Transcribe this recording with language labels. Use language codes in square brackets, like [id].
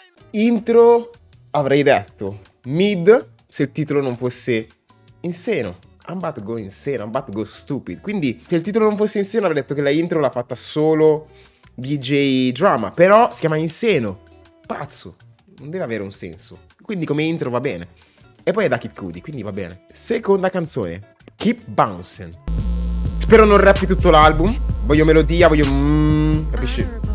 [it] Intro avrei detto. Mid se il titolo non fosse Insano. [en] I'm about to go insane, I'm about to go stupid. [it] Quindi, se il titolo non fosse Insano, avrei detto che la intro l'ha fatta solo DJ Drama. Però si chiama Insano. Pazzo. Non deve avere un senso. Quindi, come intro va bene. E poi è da Kid Cudi, quindi va bene. Seconda canzone. Keep Bouncing. Spero non rappi tutto l'album. Voglio melodia, voglio... capisci?